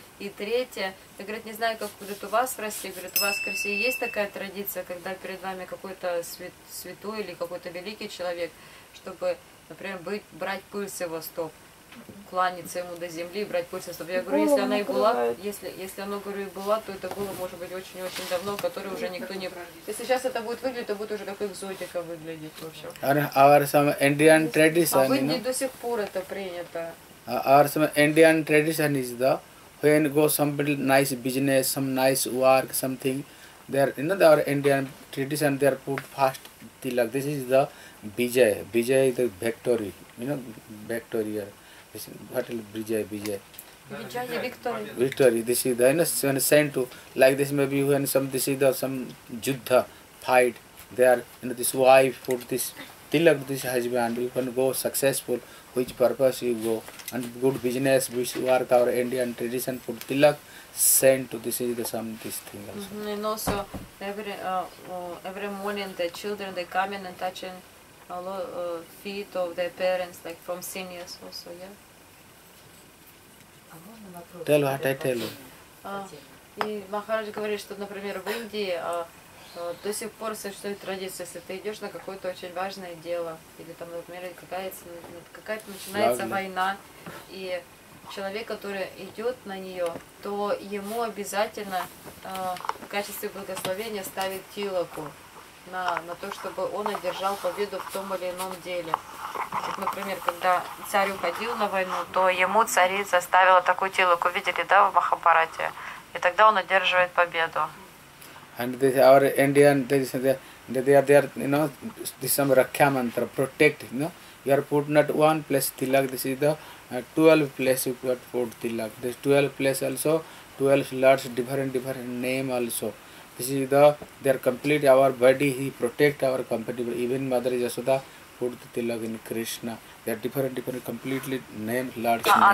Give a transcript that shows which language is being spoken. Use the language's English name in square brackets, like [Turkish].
[Russian] И третье, я говорю, не знаю, как будет у вас в России, говорит, у вас в России есть такая традиция, когда перед вами какой-то святой или какой-то великий человек, чтобы, например, брать пыль с его стоп, кланяться ему до земли, брать пыль с его стоп. Я говорю, если она и была, если она, говорю, и была, то это было, может быть, очень-очень давно, которое уже никто не... Если сейчас это будет выглядеть, то будет уже как экзотика выглядеть, в общем. [English] Our Indian tradition, [Russian] а в Индии до сих пор это принято. [English] Our Indian tradition is the... When go some nice business, some nice work, something, there, you know, the our Indian tradition, they are put first tilak. This is the vijay. Vijay is the victory. You know, victory here. What is vijay? Vijay. Vijay victory. Victory. This is the, you know, when sent to, like this, maybe when some, this is the, some juddha, fight, they are, you know, this wife put this tilak, this husband, you can go successful. Which purpose you go and good business which work our Indian tradition put tilak send to this is the some this thing also. Mm-hmm. And also every morning the children they come in and touching a lot feet of their parents like from seniors also, yeah. Tell what I tell you. [Russian] И Махарадж говорит, что, например, в Индии до сих пор существует традиция, если ты идешь на какое-то очень важное дело, или там, например, какая-то начинается война, и человек, который идет на нее, то ему обязательно в качестве благословения ставит тилаку на то, чтобы он одержал победу в том или ином деле. Вот, например, когда царь уходил на войну, то ему царица ставила такую тилаку, видели, да, в Махабхарате, и тогда он одерживает победу. [English] And this our Indian they are you know this some Rakhya mantra protect, you know, you are put not one place tilak, this is the 12 place you got put tilak, this 12 place also 12 lords different name also, this is the they are complete our body, he protect our compatible, even Mother Yashoda put the tilak in Krishna, they are different completely named lords.